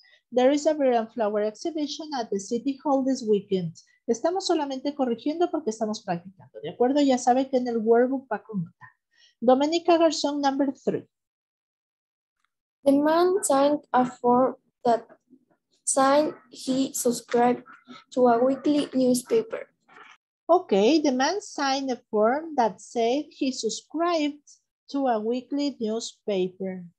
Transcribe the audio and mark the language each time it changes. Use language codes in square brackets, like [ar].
[en] There is a bird and flower exhibition at the city hall this weekend. [es] Estamos solamente corrigiendo porque estamos practicando, ¿de acuerdo? Ya sabe que en el workbook va con nota. [en] Dominica Garzón, number three. The man signed a form that signed he subscribed to a weekly newspaper. Okay, the man signed a form that said he subscribed to a weekly newspaper.